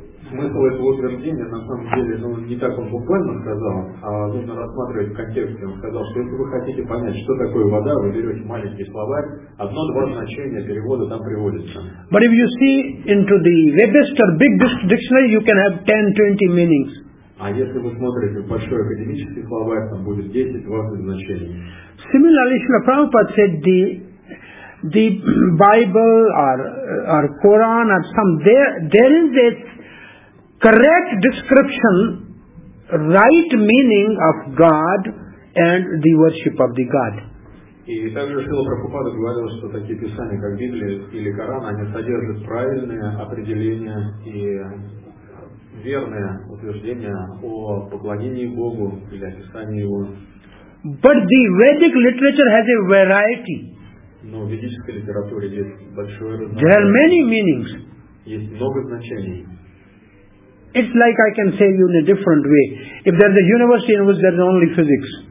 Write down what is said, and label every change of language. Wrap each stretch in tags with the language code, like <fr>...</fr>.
<ru>Смысл этого утверждения на самом деле не так он буквально сказал, а нужно рассматривать в контексте. Он сказал, что если вы хотите понять, что такое вода, вы берете маленький словарь, одно-два значения перевода там приводится.</ru> <en>But if you see into the Webster big dictionary, you can have 10-20 meanings.</en> <ru>А если вы смотрите в большой академический словарь, там будет 10-20 значений.</ru> <en>Similarly, Srila Prabhupada said the Bible or Quran or some, there is a correct description, right meaning of God and the worship of the God.</en> <ru>И также Шрила Прабхупада говорил, что такие писания, как Библия или Коран, они содержат правильное определение и верное утверждение о поклонении Богу или описании Его.</ru> <en>But the Vedic literature has a variety.</en> <ru>Но в ведической литературе есть большое разнообразие.</ru> <en>There are many meanings.</en> <ru>Есть много значений.</ru> <en>It's like I can say you in a different way. If there's a university in which there's only physics.</en>